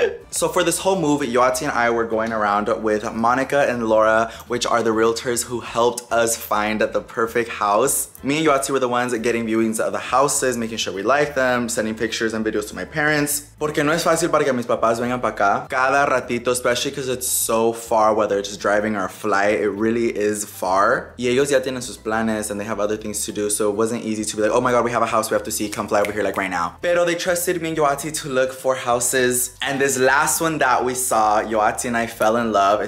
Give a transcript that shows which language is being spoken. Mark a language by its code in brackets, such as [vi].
[en] So for this whole move, Yoatsi and I were going around with Monica and Laura, which are the realtors who helped us find the perfect house. Me and Yoatsi were the ones getting viewings of the houses, making sure we like them, sending pictures and videos to my parents. [es] Porque no es fácil para que mis papás vengan para acá. Cada ratito, [en] especially because it's so far, whether it's driving or a flight, it really is far. [es] Y ellos ya tienen sus planes [en] and they have other things to do, so it wasn't easy to be like, oh my god, we have a house we have to see, come fly over here like right now. Pero they trusted me and Yoatsi to look for houses. And this last one that we saw, Yoatsi and I fell in love.